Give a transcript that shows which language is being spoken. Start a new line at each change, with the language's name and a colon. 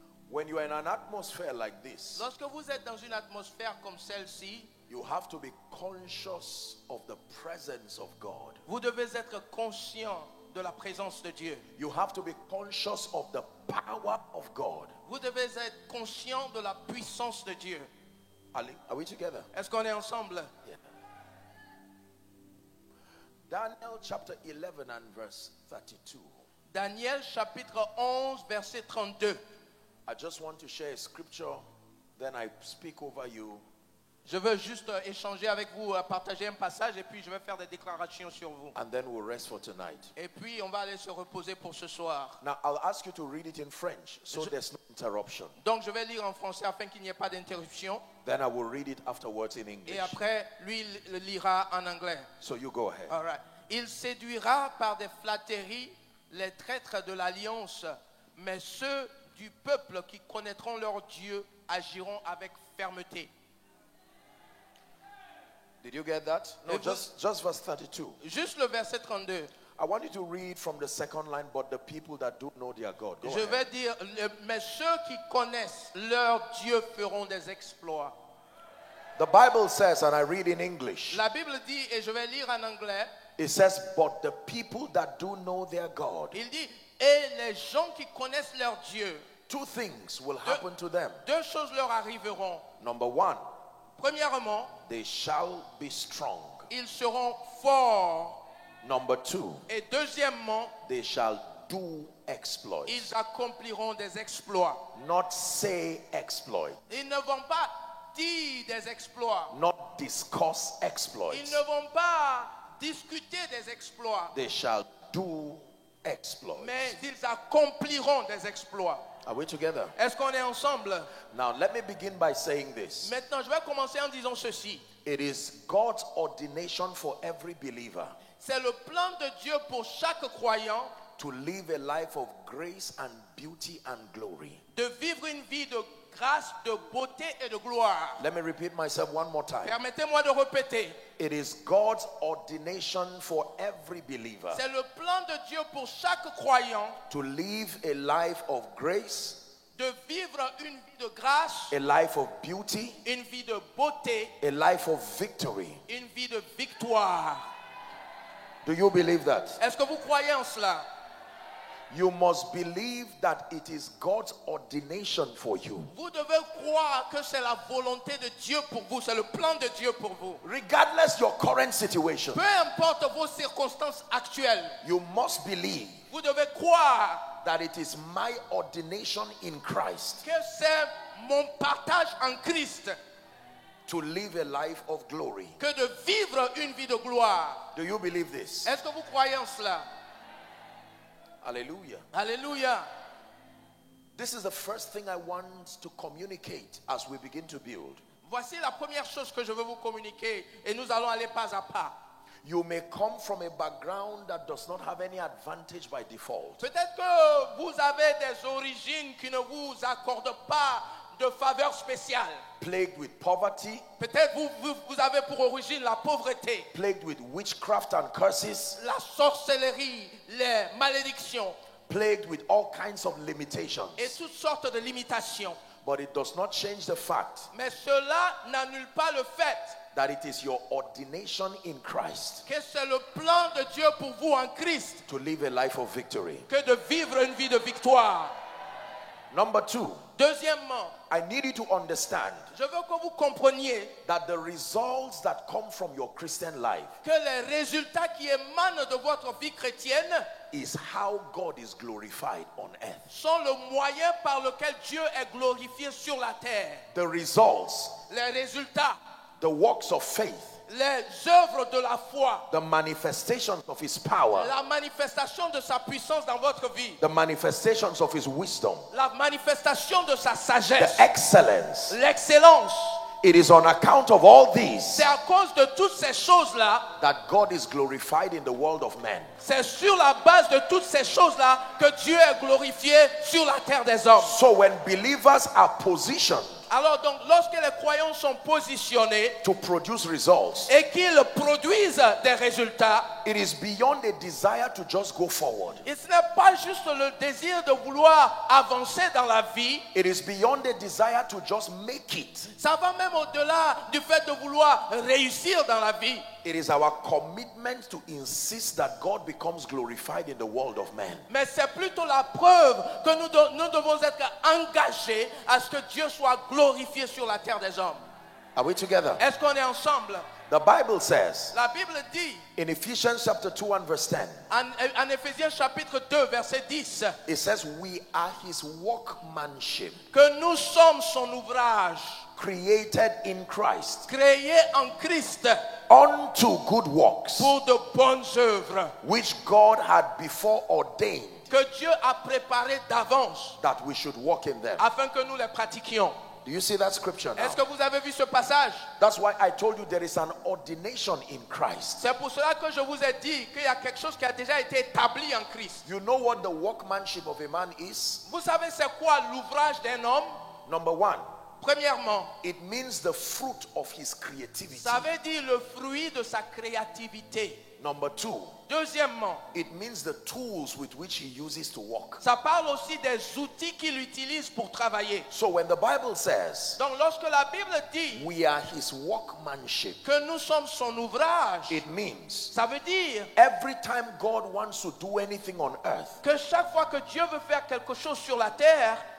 English: When you are in an atmosphere like this,
French: lorsque vous êtes dans une atmosphère comme celle-ci,
English: you have to be conscious of the presence of God.
French: Vous devez être conscient de la présence de Dieu.
English: You have to be conscious of the power of God.
French: Vous devez être conscient de la puissance de Dieu.
English: Are we together?
French: Est-ce qu'on est ensemble?
English: Yeah. Daniel chapter 11 and verse 32.
French: Daniel chapitre 11 verset 32.
English: I just want to share a scripture, then I speak over you.
French: Je veux juste échanger avec vous, partager un passage et puis je vais faire des déclarations sur vous.
English: And then we'll rest for tonight.
French: Et puis on va aller se reposer pour ce soir.
English: Now I'll ask you to read it in French, so there's no interruption.
French: Donc je vais lire en français afin qu'il n'y ait pas d'interruption.
English: Then I will read it afterwards in English.
French: Et après, lui le lira en anglais.
English: So you go ahead. All right.
French: Il séduira par des flatteries les traîtres de l'Alliance, mais ceux du peuple qui connaîtront leur Dieu agiront avec fermeté.
English: Did you get that? No, just verse 32.
French: Juste le verset 32.
English: I want you to read from the second line, but the people that do know their God. Go
French: Je
English: ahead.
French: Vais dire, mais ceux qui connaissent leur Dieu feront des exploits.
English: The Bible says, and I read in English.
French: La Bible dit, et je vais lire en anglais.
English: It says, but the people that do know their God.
French: Il dit, et les gens qui connaissent leur Dieu.
English: Two things will happen to them.
French: Deux choses leur arriveront.
English: Number one.
French: Premièrement.
English: They shall be strong.
French: Ils seront forts.
English: Number two.
French: Et deuxièmement.
English: They shall do exploits.
French: Ils accompliront des exploits.
English: Not say exploits.
French: Ils ne vont pas dire des exploits.
English: Not discuss exploits.
French: Ils ne vont pas discuter des exploits.
English: They shall do exploits.
French: Mais ils accompliront des exploits.
English: Are we together?
French: Est-ce qu'on est ensemble?
English: Now let me begin by saying this.
French: Maintenant, je vais commencer en disant ceci.
English: It is God's ordination for every believer.
French: C'est le plan de Dieu pour chaque croyant.
English: To live a life of grace and beauty and glory.
French: De vivre une vie de grâce, de beauté et de gloire.
English: Let me repeat myself one more time.
French: Permettez-moi de répéter.
English: It is God's ordination for every believer.
French: C'est le plan de Dieu pour chaque croyant.
English: To live a life of grace.
French: De vivre une vie de grâce.
English: A life of beauty.
French: Une vie de beauté.
English: A life of victory.
French: Une vie de victoire.
English: Do you believe that?
French: Est-ce que vous croyez en cela?
English: You must believe that it is God's ordination for you.
French: Vous devez croire que c'est la volonté de Dieu pour vous, c'est le plan de Dieu pour vous.
English: Regardless your current situation.
French: Peu importe vos circonstances actuelles.
English: You must believe.
French: Vous devez croire
English: that it is my ordination in Christ.
French: Que c'est mon partage en Christ.
English: To live a life of glory.
French: Que de vivre une vie de gloire.
English: Do you believe this?
French: Est-ce que vous croyez en cela?
English: Hallelujah.
French: Hallelujah.
English: This is the first thing I want to communicate as we begin to build.
French: Voici la première chose que je veux vous communiquer et nous allons aller pas à pas.
English: You may come from a background that does not have any advantage by default.
French: Peut-être que vous avez des origines qui ne vous accordent pas de faveur spéciale.
English: Plagued with poverty.
French: Peut-être vous avez pour origine la pauvreté.
English: Plagued with witchcraft and curses.
French: La sorcellerie, les malédictions.
English: Plagued with all kinds of limitations.
French: Et toutes sortes de limitations.
English: But it does not change the fact.
French: Mais cela n'annule pas le fait.
English: That it is your ordination in Christ.
French: Que c'est le plan de Dieu pour vous en Christ.
English: To live a life of victory.
French: Que de vivre une vie de victoire.
English: Number two.
French: Deuxièmement,
English: I need you to understand.
French: Je veux que vous compreniez
English: that the results that come from your Christian life.
French: Que les résultats qui émanent de votre vie chrétienne
English: is how God is glorified on earth.
French: Sont le moyen par lequel Dieu est glorifié sur la terre.
English: The results.
French: Les résultats.
English: The works of faith.
French: Les œuvres de la foi.
English: The manifestations of his power.
French: La manifestation de sa puissance dans votre vie.
English: The manifestations of his wisdom.
French: La manifestation de sa sagesse.
English: The excellence.
French: L'excellence.
English: It is on account of all these.
French: C'est à cause de toutes ces choses-là.
English: That God is glorified in the world of men.
French: C'est sur la base de toutes ces choses-là que Dieu est glorifié sur la terre des hommes.
English: So when believers are positioned.
French: Alors donc, lorsque les croyants sont positionnés
English: to produce results,
French: et qu'ils produisent des résultats,
English: it is beyond a desire to just go forward.
French: Et ce n'est pas juste le désir de vouloir avancer dans la vie.
English: It is beyond a desire to just make it.
French: Ça va même au-delà du fait de vouloir réussir dans la vie.
English: It is our commitment to insist that God becomes glorified in the world of men.
French: Mais c'est plutôt la preuve que nous devons être engagés à ce que Dieu soit glorifié sur la terre des hommes.
English: Are we together?
French: Est-ce qu'on est ensemble?
English: The Bible says.
French: La Bible dit.
English: In Ephesians chapter 2 and verse 10.
French: En Ephésiens chapitre 2 verset 10.
English: It says we are his workmanship.
French: Que nous sommes son ouvrage.
English: Created in Christ.
French: Créé en Christ.
English: Unto good works.
French: Pour de bonnes œuvres.
English: Which God had before ordained.
French: Que Dieu a préparé d'avance.
English: That we should walk in them.
French: Afin que nous les pratiquions.
English: Do you see that scripture now?
French: Est-ce que vous avez vu ce passage?
English: That's why I told you there is an ordination in Christ.
French: C'est pour cela que je vous ai dit qu'il y a quelque chose qui a déjà été établi en Christ.
English: You know what the workmanship of a man is?
French: Vous savez c'est quoi l'ouvrage d'un homme?
English: Number one.
French: Premièrement,
English: it means the fruit of his creativity.
French: Ça veut dire le fruit de sa créativité.
English: Number two,
French: deuxièmement,
English: it means the tools with which he uses to work.
French: Ça parle aussi des outils qu'il utilise pour travailler.
English: So when the Bible says,
French: donc lorsque la Bible dit,
English: we are his workmanship,
French: que nous sommes son ouvrage,
English: it means,
French: ça veut dire,
English: every time God wants to do anything on earth,
French: que chaque fois que Dieu veut faire quelque chose sur la terre,